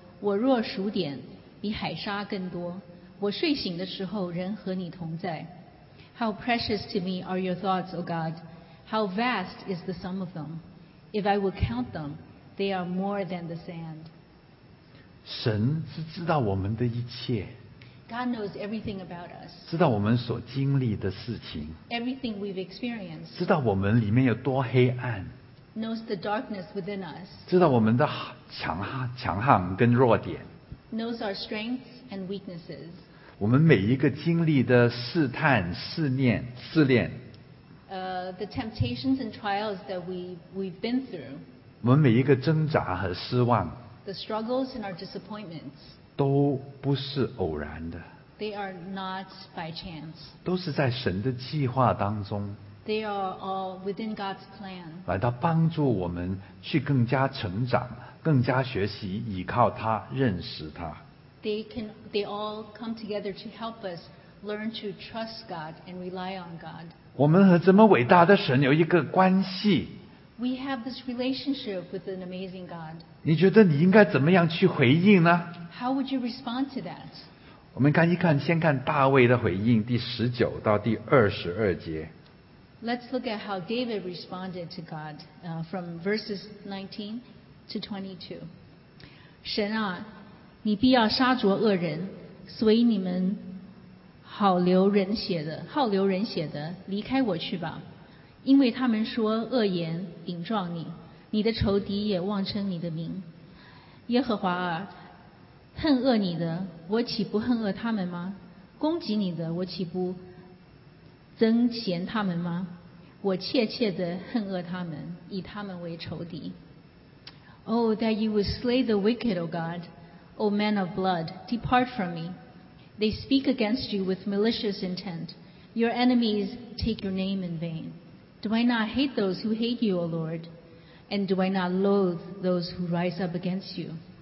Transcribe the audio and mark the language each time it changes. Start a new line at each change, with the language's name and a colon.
Chinese: 我若数点，比海沙更多。我睡醒的时候，仍和你同在。
English: How precious to me are your thoughts, O God! How vast is the sum of them! If I would count them, they are more than the sand.
Chinese: 神是知道我们的一切。
English: God knows everything about us.
Chinese: 知道我们所经历的事情。
English: Everything we've experienced.
Chinese: 知道我们里面有多黑暗。
English: Knows the darkness within us.
Chinese: 知道我们的强悍跟弱点。
English: Knows our strengths and weaknesses.
Chinese: 我们每一个经历的试探、试炼。
English: The temptations and trials that we've been through.
Chinese: 我们每一个挣扎和失望。
English: The struggles and our disappointments.
Chinese: 都不是偶然的。
English: They are not by chance.
Chinese: 都是在神的计划当中。
English: They are all within God's plan.
Chinese: 来到帮助我们去更加成长，更加学习，依靠他，认识他。
English: They all come together to help us learn to trust God and rely on God.
Chinese: 我们和这么伟大的神有一个关系。
English: We have this relationship with an amazing God.
Chinese: 你觉得你应该怎么样去回应呢？
English: How would you respond to that?
Chinese: 我们看一看，先看大卫的回应，第十九到第二十二节。
English: Let's look at how David responded to God, from verses 19 to 22.
Chinese: 神啊，你必要杀着恶人，所以你们好流人血的，离开我去吧。因为他们说恶言顶撞你，你的仇敌也妄称你的名。耶和华啊，恨恶你的，我岂不恨恶他们吗？攻击你的，我岂不憎嫌他们吗？我切切地恨恶他们，以他们为仇敌。
English: Oh, that you would slay the wicked, O God, O man of blood, depart from me. They speak against you with malicious intent. Your enemies take your name in vain. Do I not hate those who hate you, O Lord? And do I not loathe those who rise up against you?